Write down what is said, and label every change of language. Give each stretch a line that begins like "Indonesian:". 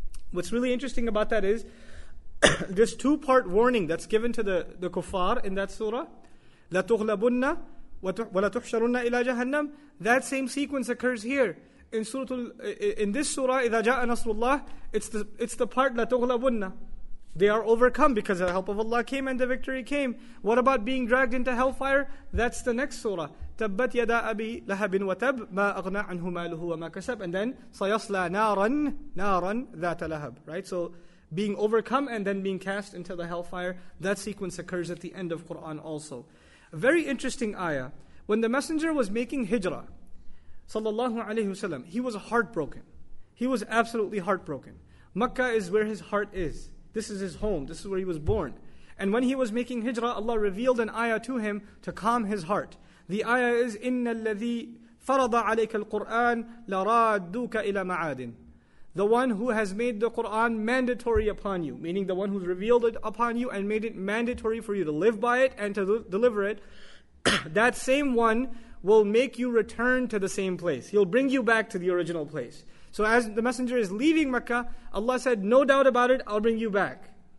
English: What's really interesting about that is this two-part warning that's given to the kuffar in that surah, لَتُغْلَبُنَّ وَلَتُحْشَرُنَّ إِلَى جَهَنَّمْ. That same sequence occurs here. In this surah, إِذَا جَاءَ نَصْرُ اللَّهِ, it's the part لَتُغْلَبُنَّ. They are overcome because the help of Allah came and the victory came. What about being dragged into hellfire?
Arabic: That's the next surah. تَبَّتْ يَدَا أَبِي لَهَبٍ وَتَبْ مَا أَغْنَى عَنْهُ مَالُهُ وَمَا كَسَبْ. And then, سَيَصْلَى نَارًا ذَاتَ لَهَبْ.
English: Right? So, being overcome and then being cast into the hellfire, that sequence occurs at the end of Qur'an also. Very interesting ayah. When the Messenger was making hijrah, sallallahu alayhi wasallam, he was heartbroken. He was absolutely heartbroken. Makkah is where his heart is. This is his home. This is where he was born. And when he was making hijrah, Allah revealed an ayah to him to calm his heart.
Arabic: The ayah is, إِنَّ الَّذِي فَرَضَ عَلَيْكَ الْقُرْآنَ لَرَادُّكَ إِلَى مَعَادٍ.
English: The one who has made the Qur'an mandatory upon you, meaning the one who's revealed it upon you and made it mandatory for you to live by it and to deliver it, that same one will make you return to the same place. He'll bring you back to the original place. So as the Messenger is leaving Makkah, Allah said, no doubt about it, I'll bring you back.